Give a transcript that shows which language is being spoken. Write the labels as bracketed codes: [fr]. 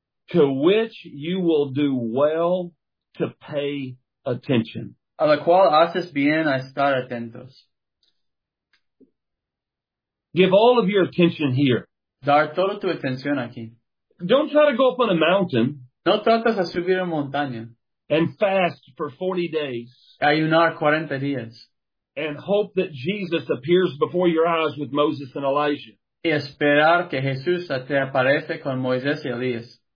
[en] To which you will do well to pay attention. [es] A la cual haces bien a estar atentos. [en] Give all of your attention here. [es] Dar toda tu atención aquí. [en] Don't try to go up on a mountain. [es] No tratas de subir una montaña. [en] And fast for 40 days. [es] Ayunar 40 días. [en] And hope that Jesus appears before your eyes with Moses and Elijah. [es] Y esperar que Jesús te aparece con Moisés y Elías.